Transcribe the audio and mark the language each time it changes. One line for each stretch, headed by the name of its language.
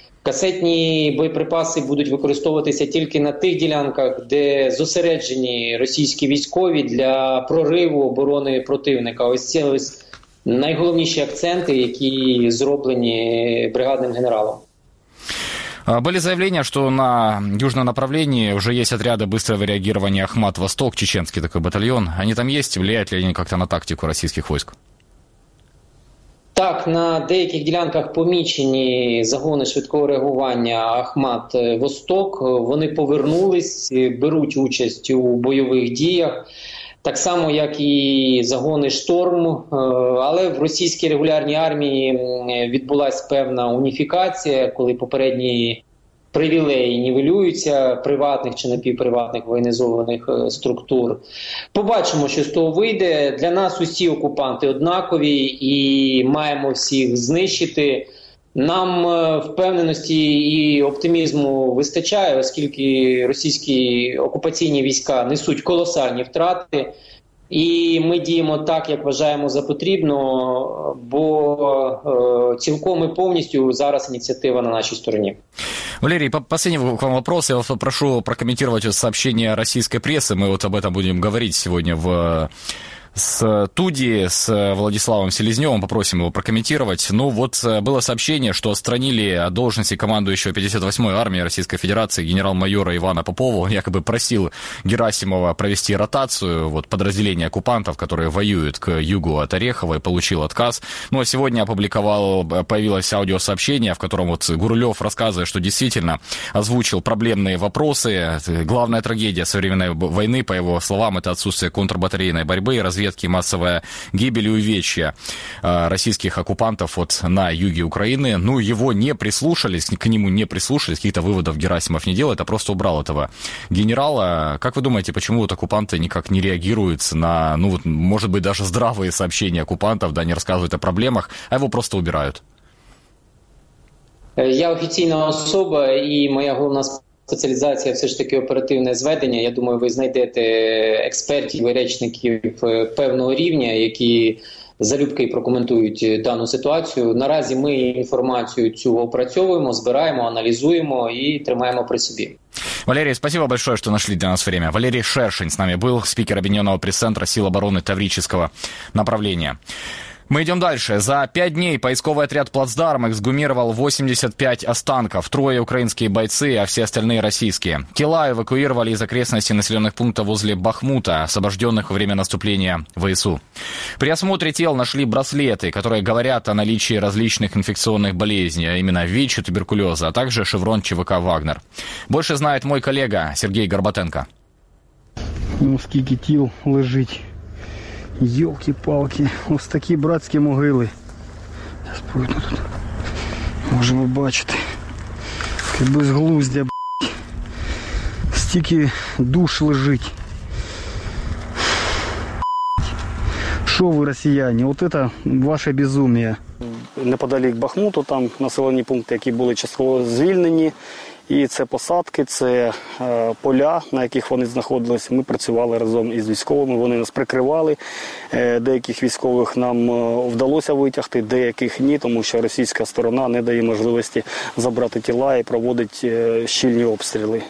Ukrainian: Касетні боєприпаси будуть використовуватися тільки на тих ділянках, де зосереджені російські військові для прориву оборони противника. Ось ці найголовніші акценти, які зроблені бригадним генералом.
Russian: Были заявления, что на южном направлении уже есть отряды быстрого реагирования «Ахмат-Восток», чеченский такой батальон. Они там есть? Влияют ли они как-то на тактику российских войск?
Ukrainian: Так, на деяких ділянках помічені загони швидкого реагування «Ахмат-Восток». Вони повернулись, беруть участь у бойових діях. Так само, як і загони «Шторм», але в російській регулярній армії відбулась певна уніфікація, коли попередні привілеї нівелюються приватних чи напівприватних воєнізованих структур. Побачимо, що з того вийде. Для нас усі окупанти однакові і маємо всіх знищити. Нам впевненості і оптимізму вистачає, оскільки російські окупаційні війська несуть колосальні втрати. І ми діємо так, як вважаємо за потрібно, бо цілком і повністю зараз ініціатива на нашій стороні.
Russian: Валерий, последний к вам вопрос. Я вас попрошу прокомментировать сообщение российской прессы. Мы вот об этом будем говорить сегодня в студии с Владиславом Селезневым. Попросим его прокомментировать. Ну вот было сообщение, что отстранили от должности командующего 58-й армией Российской Федерации генерал-майора Ивана Попова. Он якобы просил Герасимова провести ротацию вот, подразделения оккупантов, которые воюют к югу от Орехова, и получил отказ. Ну а сегодня появилось аудиосообщение, в котором вот Гурулев рассказывает, что действительно озвучил проблемные вопросы. Главная трагедия современной войны, по его словам, это отсутствие контрбатарейной борьбы и разведки. Ветки массовая гибель и увечья российских оккупантов вот на юге Украины. Ну, его не прислушались, к нему не прислушались, каких-то выводов Герасимов не делает, а просто убрал этого генерала. Как вы думаете, почему вот оккупанты никак не реагируют на, ну, вот, может быть, даже здравые сообщения оккупантов, да, не рассказывают о проблемах, а его просто убирают? Я официальная особа, и моя главная
Ukrainian: спеціалізація все ж таки оперативне зведення. Я думаю, ви знайдете експертів і речників певного рівня, які залюбки прокоментують дану ситуацію. Наразі ми інформацію цю опрацьовуємо, збираємо, аналізуємо і тримаємо при собі.
Russian: Валерий, спасибо большое, что нашли для нас время. Валерий Шершень с нами был, спикер Объединенного пресс-центра сил обороны Таврического направления. Мы идем дальше. За 5 дней поисковый отряд «Плацдарм» эксгумировал 85 останков. Трое украинские бойцы, а все остальные российские. Тела эвакуировали из окрестностей населенных пунктов возле Бахмута, освобожденных во время наступления ВСУ. При осмотре тел нашли браслеты, которые говорят о наличии различных инфекционных болезней, а именно ВИЧ и туберкулеза, а также шеврон ЧВК «Вагнер». Больше знает мой коллега Сергей Горбатенко. Ну, сколько тел лежит? Ёлки-палки, вот такие братские могилы. Сейчас пойду тут. Можем бачить. Как бы с глуздя,
Ukrainian: стільки душ
Russian: лежит. Что вы, россияне, вот это ваше безумие.
Ukrainian: Неподалік Бахмуту, там населені пункти, які були частково звільнені. І це посадки, це поля, на яких вони знаходилися. Ми працювали разом із військовими, вони нас прикривали. Деяких військових нам вдалося витягти, деяких ні, тому що російська сторона не дає можливості забрати тіла і проводить щільні обстріли.